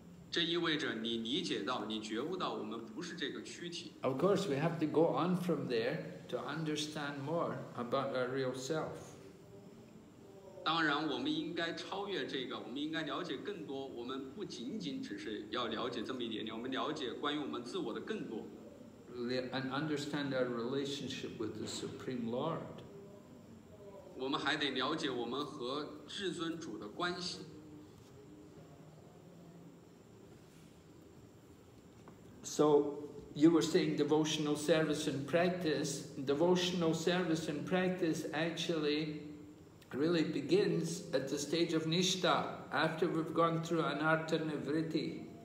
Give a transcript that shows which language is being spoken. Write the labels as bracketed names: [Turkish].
[Chinese] 这意味着你理解到，你觉悟到我们不是这个躯体。 [English] Of course, we have to go on from there to understand more about our real self. [Chinese] 当然我们应该超越这个，我们应该了解更多，我们不仅仅只是要了解这么一点点，我们了解关于我们自我的更多。 [English] And understand our relationship with the Supreme Lord. [Chinese] 我们还得了解我们和至尊主的关系。 [English] So, you were saying devotional service and practice. Devotional service and practice actually... really begins at the stage of Nishta, after we've gone through Anartha Nivritti.